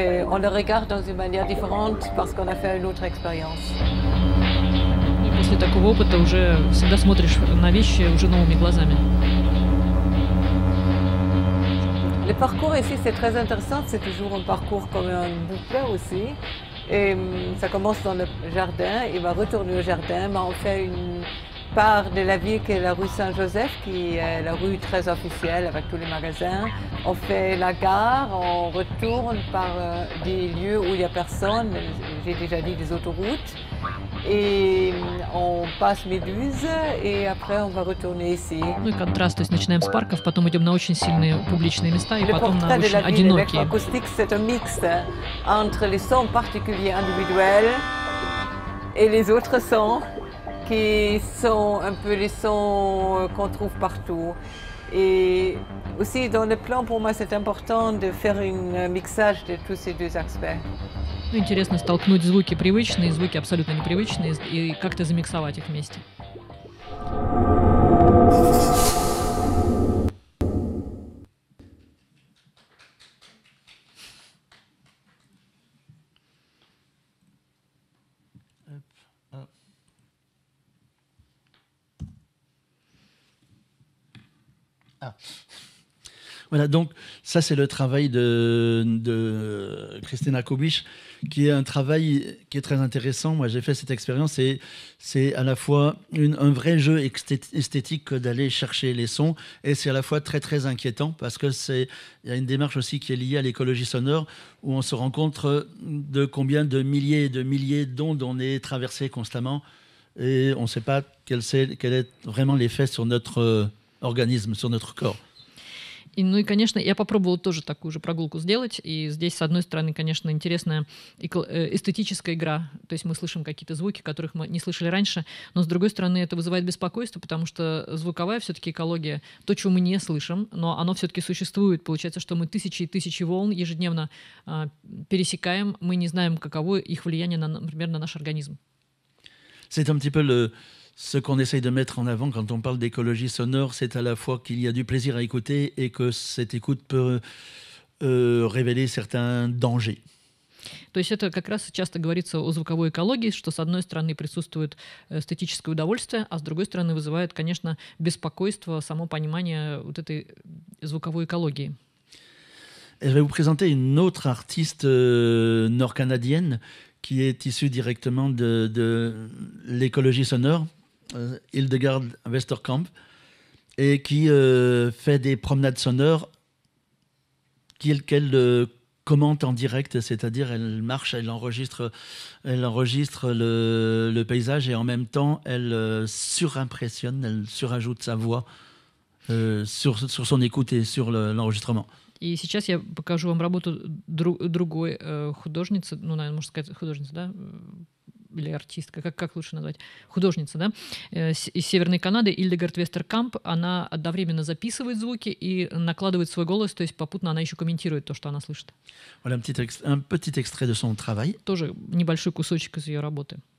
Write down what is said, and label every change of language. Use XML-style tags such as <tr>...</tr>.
<fr>On le regarde dans une manière différente parce qu'on a fait une autre expérience.</fr> <ru>После такого опыта уже всегда смотришь на вещи уже новыми глазами.</ru> <fr>Le parcours ici c'est très intéressant, c'est toujours un parcours comme un boucle aussi. Et ça commence dans le jardin, il va retourner au jardin, mais on fait une part de la ville qui est la rue Saint-Joseph, qui est la rue très officielle avec tous les magasins. On fait la gare, on retourne par des lieux où il n'y a personne, j'ai déjà dit des autoroutes. Et on passe Méduse et après on va retourner ici.</fr> <ru>Ну и контраст, то есть начинаем с парков, потом идем на очень сильные публичные места и</ru> <fr>le</fr> <ru>потом на очень одинокие.</ru> <fr>Acoustique, c'est un mix entre les sons particuliers individuels et les autres sons qui sont un peu les sons qu'on trouve partout. Et aussi dans le plan, pour moi, c'est important de faire un mixage de tous ces deux aspects.</fr> <ru>Ну, интересно столкнуть звуки привычные, звуки абсолютно непривычные, и как-то замиксовать их вместе.</ru> <fr>Voilà, donc ça c'est le travail de Christina Kubisch, qui est un travail qui est très intéressant. Moi j'ai fait cette expérience et c'est à la fois un vrai jeu esthétique d'aller chercher les sons, et c'est à la fois très très inquiétant parce qu'il y a une démarche aussi qui est liée à l'écologie sonore, où on se rend compte de combien de milliers et de milliers d'ondes on est traversé constamment, et on ne sait pas quel est vraiment l'effet sur notre organisme, sur notre corps.</fr> <ru>И, ну и, конечно, я попробовала тоже такую же прогулку сделать. И здесь, с одной стороны, конечно, интересная эстетическая игра. То есть мы слышим какие-то звуки, которых мы не слышали раньше. Но, с другой стороны, это вызывает беспокойство, потому что звуковая все-таки экология, то, чего мы не слышим, но оно все-таки существует. Получается, что мы тысячи и тысячи волн ежедневно пересекаем. Мы не знаем, каково их влияние, например, на наш организм.</ru> <fr>C'est un petit peu le... Ce qu'on essaye de mettre en avant quand on parle d'écologie sonore, c'est à la fois qu'il y a du plaisir à écouter et que cette écoute peut révéler certains dangers.</fr> <ru>То есть это как раз часто говорится о звуковой экологии, что с одной стороны присутствует эстетическое удовольствие, а с другой стороны вызывает, конечно, беспокойство, само понимание вот этой звуковой экологии.</ru> <fr>Je vais vous présenter une autre artiste nord-canadienne qui est issue directement de l'écologie sonore. Hildegard Westerkamp, et qui fait des promenades sonores qu'elle commente en direct, c'est-à-dire elle marche, elle enregistre le paysage et en même temps elle surimpressionne, elle surajoute sa voix sur son écoute et sur l'enregistrement.</fr> <ru>И сейчас я покажу вам работу другой художницы, ну, наверное, можно сказать художницы, да? Или артистка, как лучше назвать, художница, да, из Северной Канады, Ильдегард Вестеркамп, она одновременно записывает звуки и накладывает свой голос, то есть попутно она еще комментирует то, что она слышит.</ru> <fr>Voilà, un petit extrait de son travail.</fr> <ru>Тоже небольшой кусочек из ее работы.</ru>